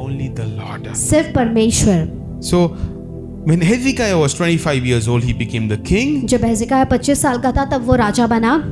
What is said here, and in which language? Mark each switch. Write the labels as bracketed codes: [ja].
[en] Only the Lord. [hi] सिर्फ परमेश्वर. [en] So when Hezekiah was 25 years old, he became the king. [hi] जब हेजिकाया 25 साल का था तब वो राजा बना.